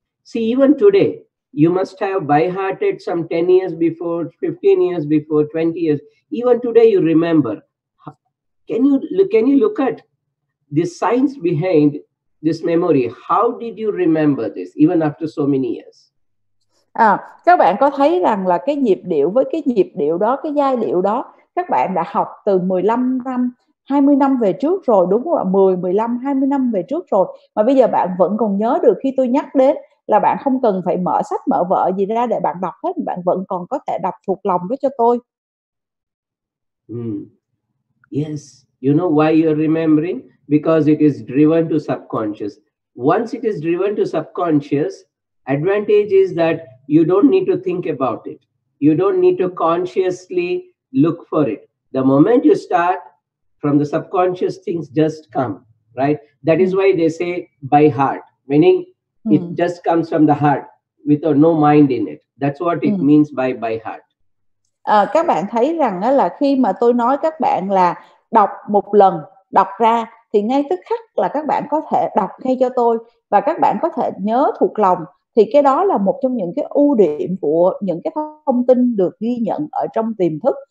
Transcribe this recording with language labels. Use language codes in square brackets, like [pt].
[en] See, even today, you must have by hearted some 10 years before, 15 years before, 20 years. Even today, you remember. Can you look at the science behind this memory? How did you remember this even after so many years? [vi] À, các bạn có thấy rằng là cái nhịp điệu với cái nhịp điệu đó, cái giai điệu đó, các bạn đã học từ 15 năm, 20 năm về trước rồi, đúng không ạ? 10, 15, 20 năm về trước rồi. Mà bây giờ bạn vẫn còn nhớ được khi tôi nhắc đến là bạn không cần phải mở sách, mở vở gì ra để bạn đọc hết. Bạn vẫn còn có thể đọc thuộc lòng đó cho tôi. [en] Yes, you know why you're remembering? Because it is driven to subconscious. Once it is driven to subconscious, advantage is that you don't need to think about it. You don't need to consciously look for it. The moment you start from the subconscious, things just come, right? That is why they say by heart, meaning it just comes from the heart without no mind in it. That's what it means by heart. [vi] À, các bạn thấy rằng là khi mà tôi nói các bạn là đọc một lần, đọc ra, thì ngay tức khắc là các bạn có thể đọc ngay cho tôi và các bạn có thể nhớ thuộc lòng. Thì cái đó là một trong những cái ưu điểm của những cái thông tin được ghi nhận ở trong tiềm thức.